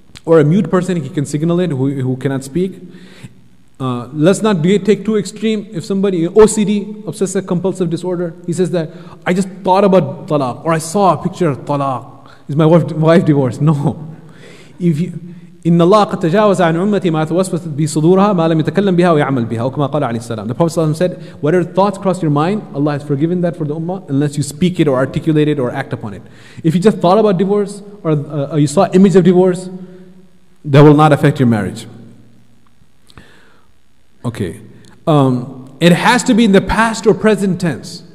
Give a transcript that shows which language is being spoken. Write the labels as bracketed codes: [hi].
[en] Or a mute person, he can signal it, who cannot speak. Let's not take too extreme. If somebody, OCD, obsessive compulsive disorder, he says that, I just thought about talaq, or I saw a picture of talaq, is my wife divorced? No. If you, [ar] إن الله قد تجاوز عن أمتي ما توسوس بصدورها ما لم يتكلم بها ويعمل بها. وكما قال عليه السلام. [en] The Prophet said, whatever thoughts cross your mind, Allah has forgiven that for the ummah unless you speak it or articulate it or act upon it. If you just thought about divorce or you saw image of divorce, that will not affect your marriage. Okay. It has to be in the past or present tense.